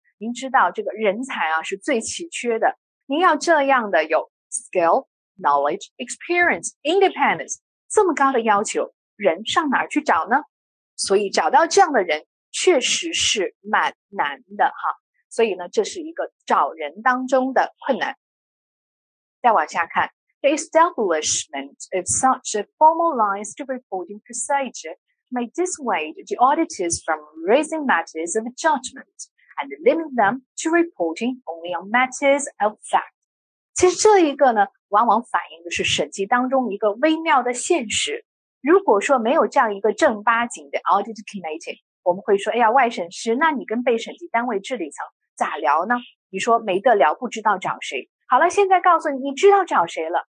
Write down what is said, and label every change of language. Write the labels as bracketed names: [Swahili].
[Chinese] 您知道这个人才啊是最奇缺的，您要这样的有 [English] skill, knowledge, experience, independence [Chinese] 这么高的要求，人上哪儿去找呢？所以找到这样的人确实是蛮难的哈。所以呢，这是一个找人当中的困难。再往下看， [English] The establishment of such a formalized reporting procedure may dissuade the auditors from raising matters of judgment and limit them to reporting only on matters of fact. [Chinese] 其实这一个呢，往往反映的是审计当中一个微妙的现实。如果说没有这样一个正八经的 [English] audit committee， [Chinese] 我们会说，哎呀，外审师，那你跟被审计单位治理层咋聊呢？你说没得聊，不知道找谁。好了，现在告诉你，你知道找谁了。